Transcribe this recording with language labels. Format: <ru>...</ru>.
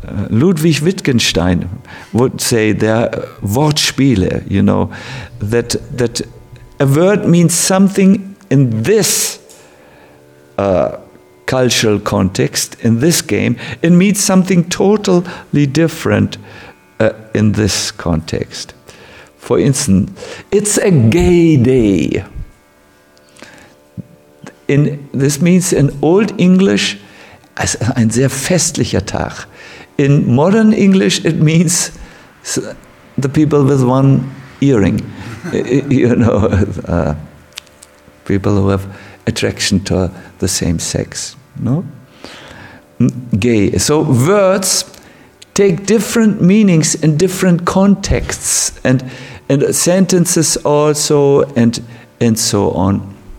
<en>Ludwig Wittgenstein would say there are Wortspiele, you know, that a word means something in this cultural context, in this game. It means something totally different in this context. For instance, it's a gay day. This means in Old English,</en> <de>es ist ein sehr festlicher Tag.</de> <en>In modern English, it means the people with one earring. You know, people who have attraction to the same sex. No? Gay. So words take different meanings in different contexts, and sentences also, and so on.</en>